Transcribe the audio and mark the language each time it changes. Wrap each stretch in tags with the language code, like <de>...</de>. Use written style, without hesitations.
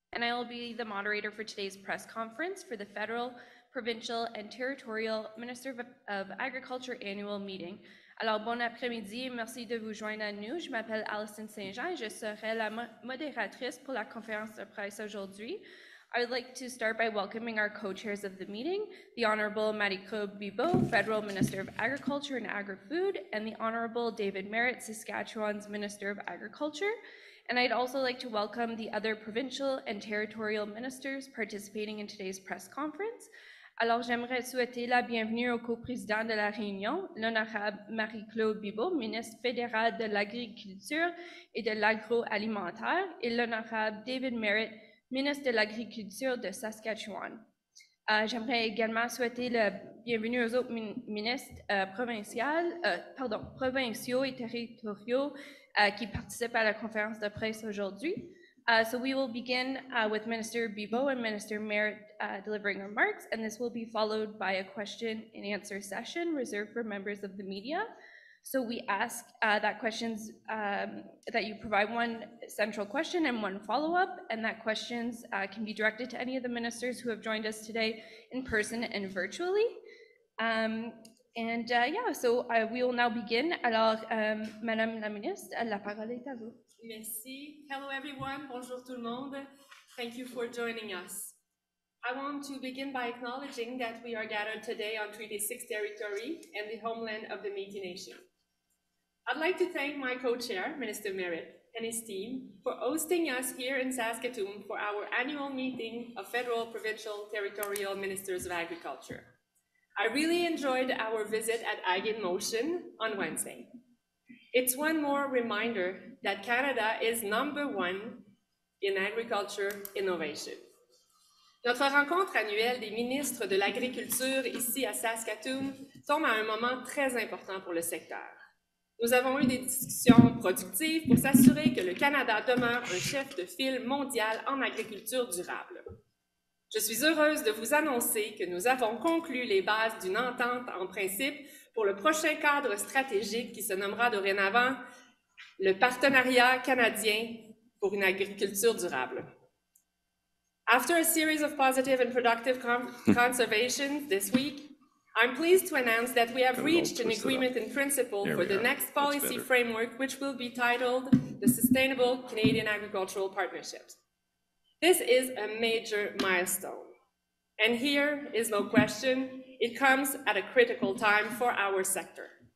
<en>and I will be the moderator for today's press conference for the federal, provincial, and territorial Minister of Agriculture annual meeting.</en> <fr>Alors, bon après-midi, merci de vous joindre à nous. Je m'appelle Allison Saint-Jean, je serai la modératrice pour la conférence de presse aujourd'hui.</fr> <en>I would like to start by welcoming our co-chairs of the meeting, the Honorable Marit Bibeau, Federal Minister of Agriculture and Agri-Food, and the Honorable David Marit, Saskatchewan's Minister of Agriculture. And I'd also like to welcome the other provincial and territorial ministers participating in today's press conference.</en> <fr>Alors, j'aimerais souhaiter la bienvenue au co-président de la Réunion, l'honorable Marie-Claude Bibeau, ministre fédérale de l'Agriculture et de l'Agroalimentaire, et l'honorable David Marit, ministre de l'Agriculture de Saskatchewan. J'aimerais également souhaiter la bienvenue aux autres ministres provinciaux et territoriaux qui participent à la conférence de presse aujourd'hui.</fr> <en>So we will begin with Minister Bibeau and Minister Marit delivering remarks, and this will be followed by a question and answer session reserved for members of the media. So we ask that questions, that you provide one central question and one follow-up, and that questions can be directed to any of the ministers who have joined us today in person and virtually. We will now begin.</en> <fr>Alors, Madame la Ministre, la parole est à vous. Merci.</fr> <en>Hello, everyone.</en> <fr>Bonjour, tout le monde.</fr> <en>Thank you for joining us. I want to begin by acknowledging that we are gathered today on Treaty 6 territory and the homeland of the Métis Nation. I'd like to thank my co-chair, Minister Marit, and his team for hosting us here in Saskatoon for our annual meeting of federal, provincial, territorial ministers of agriculture. I really enjoyed our visit at Ag in Motion on Wednesday. It's one more reminder that Canada is number one in agriculture innovation.</en> <fr>Notre rencontre annuelle des ministres de l'agriculture ici à Saskatoon tombe à un moment très important pour le secteur. Nous avons eu des discussions productives pour s'assurer que le Canada demeure un chef de file mondial en agriculture durable. Je suis heureuse de vous annoncer que nous avons conclu les bases d'une entente en principe pour le prochain cadre stratégique qui se nommera dorénavant le Partenariat canadien pour une agriculture durable.</fr> <en>After a series of positive and productive conversations this week, I'm pleased to announce that we have reached an agreement in principle for the next policy framework, which will be titled the Sustainable Canadian Agricultural Partnerships. This is a major milestone. And here is no question, it comes at a critical time for our sector.</en>